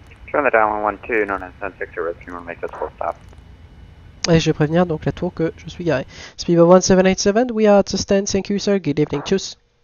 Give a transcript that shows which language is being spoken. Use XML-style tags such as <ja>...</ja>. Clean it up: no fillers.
<en>Join the downwind 12, known as 10-6 Sierra Whiskey, we'll make this full stop.</en> <fr>Et je vais prévenir donc la tour que je suis garé.</fr> <en>Speedway 1787, we are at the stand, thank you sir, good evening, tchuss.</en>